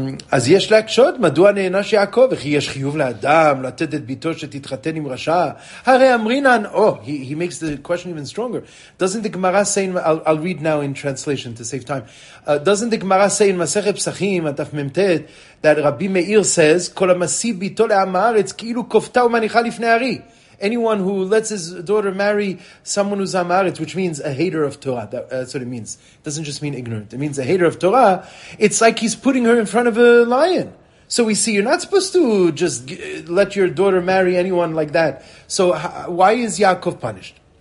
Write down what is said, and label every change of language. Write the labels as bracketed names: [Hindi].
[Hebrew] אז יש להקשות, מדוע נענש יעקב? איך יש חיוב לאדם לתת את ביתו שתתחתן עם רשע? הרי אמרינן, [English] oh, he makes the question even stronger. Doesn't the Gemara say, I'll read now in translation to save time. Doesn't the Gemara say in מסכת פסחים, עטף ממתת, that רבי מאיר says, [Hebrew] כל המסיב ביתו לעם הארץ, כאילו כופתה ומניחה לפני הרי. [English] Anyone who lets his daughter marry someone who's amaret, which means a hater of Torah, that's what it means. It doesn't just mean ignorant. It means a hater of Torah. It's like he's putting her in front of a lion. So we see you're not supposed to just let your daughter marry anyone like that. So why is Yaakov punished?